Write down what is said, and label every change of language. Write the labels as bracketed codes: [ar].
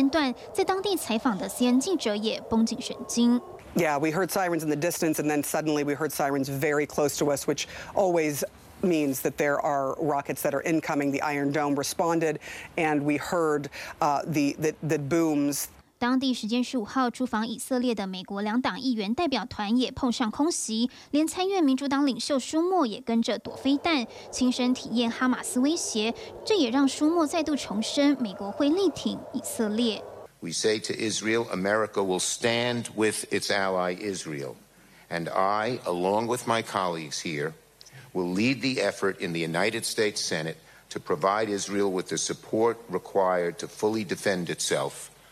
[zh] 而美国参议院的多数党领袖舒默在访问以色列时，也遇上了空袭。以色列第一大城台拉维夫再度响起空袭警报，哈马斯火箭威胁不间断。在当地采访的 CNN 记者也绷紧神经。 [en] Yeah, we heard sirens in the distance, and then suddenly we heard sirens very close to us, which always means that there are rockets that are incoming. The Iron Dome responded, and we heard the booms. [zh] 当地时间15号，驻防以色列的美国两党议员代表团也碰上空袭，连参议院民主党领袖舒默也跟着躲飞弹，亲身体验哈马斯威胁。这也让舒默再度重申，美国会力挺以色列。 [en] We say to Israel, America will stand with its ally Israel, and I, along with my colleagues here, will lead the effort in the United States Senate to provide Israel with the support required to fully defend itself.